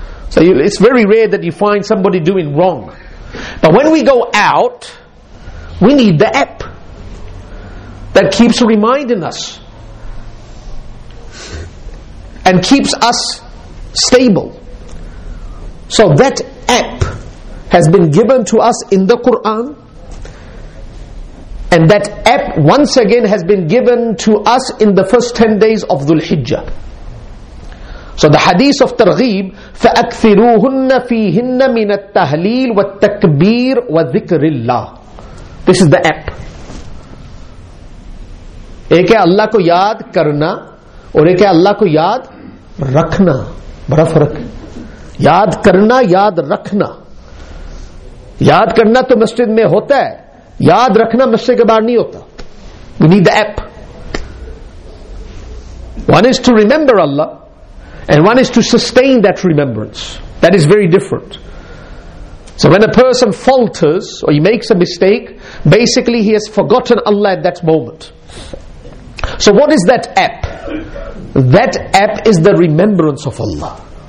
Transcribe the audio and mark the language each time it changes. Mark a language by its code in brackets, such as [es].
[en] So it's very rare that you find somebody doing wrong. But when we go out, we need the app that keeps reminding us and keeps us stable. So that app has been given to us in the Quran. And that app once again has been given to us in the first 10 days of Dhul Hijjah. So the hadith of Targhib, [ar] فَأَكْثِرُوهُنَّ فِيهِنَّ مِنَ التَّهْلِيلِ وَالتَّكْبِيرِ وَذِكْرِ اللَّهِ. [en] This is the app. [ur] ایک ہے اللہ کو یاد کرنا اور ایک ہے اللہ کو یاد رکھنا. بڑا فرق. یاد کرنا, یاد رکھنا. یاد کرنا تو مسجد میں ہوتا ہے, یاد رکھنا مسجد کے باہر نہیں ہوتا. [en] We need the app. One is to remember Allah and one is to sustain that remembrance. That is very different. So when a person falters or he makes a mistake, basically he has forgotten Allah at that moment. So what is that app? That app is the remembrance of Allah.